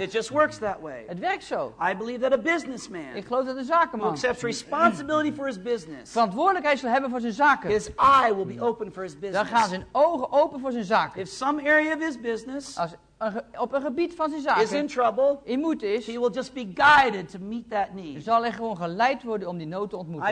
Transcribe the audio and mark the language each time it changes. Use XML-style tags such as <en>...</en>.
<en>It just works that way.</en> <nl>Het werkt zo.</nl> <en>I believe that a businessman.</en> <nl>Ik geloof dat een zakenman.</nl> <en>Who accepts responsibility for his business.</en> <nl>Verantwoordelijkheid zal hebben voor zijn zaken.</nl> <en>His eye will be open for his business.</en> <nl>Dan gaan zijn ogen open voor zijn zaken.</nl> <en>If some area of his business.</en> <nl>Als op een gebied van zijn zaken</nl> <en>is in trouble,</en> <nl>in moed is,</nl> <en>he will just be guided to meet that need.</en> <nl>Zal hij gewoon geleid worden om die nood te ontmoeten.</nl>